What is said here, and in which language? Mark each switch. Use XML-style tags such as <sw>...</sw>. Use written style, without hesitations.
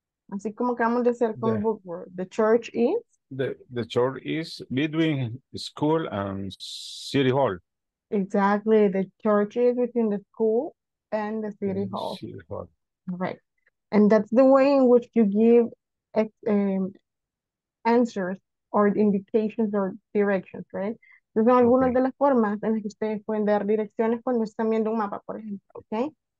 <es>Así como acabamos de hacer con book world.</es> <en>The church is. The church is between school and city hall. Exactly. The church is between the school and the city hall. City hall. Right. And that's the way in which you give answers or indications or directions, right?</en> <es>Esas son algunas de las formas en las que ustedes pueden dar direcciones cuando están viendo un mapa, por ejemplo, okay?</es>